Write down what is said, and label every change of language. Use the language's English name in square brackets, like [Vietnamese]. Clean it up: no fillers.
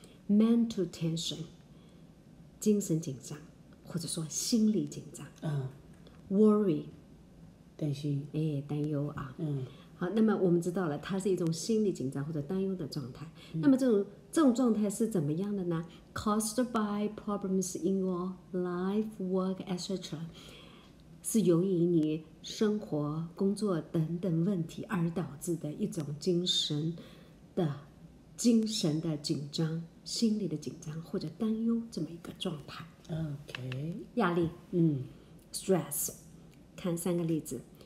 [English] mental tension [Chinese] 精神紧张，或者说心理紧张。worry 担心，担忧啊。好，那么我们知道了，它是一种心理紧张或者担忧的状态。那么这种状态是怎么样的呢？ [English] caused by problems in your life, work, etc. [Chinese] 是由于你生活、工作等等问题而导致的一种精神的紧张、心理的紧张或者担忧这么一个状态。 [English] OK， [Chinese] 压力。Stress。 看三个例子。